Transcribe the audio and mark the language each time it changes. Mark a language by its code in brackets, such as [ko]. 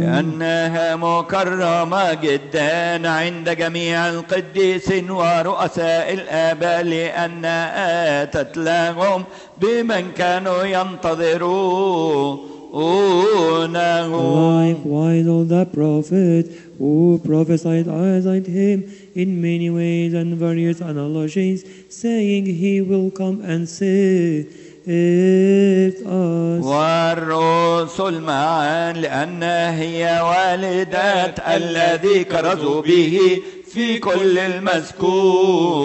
[ar] لأنها مكرمة جدا عند جميع القديسين ورؤساء الآباء لأن آتت لهم بمن كانوا ينتظرون. [en] Likewise, all the prophets who prophesied about him in many ways and various analogies, saying he will come and save us. [ar] والرسل معا لأن هي والدات الذي كرزوا به في كل المسكون.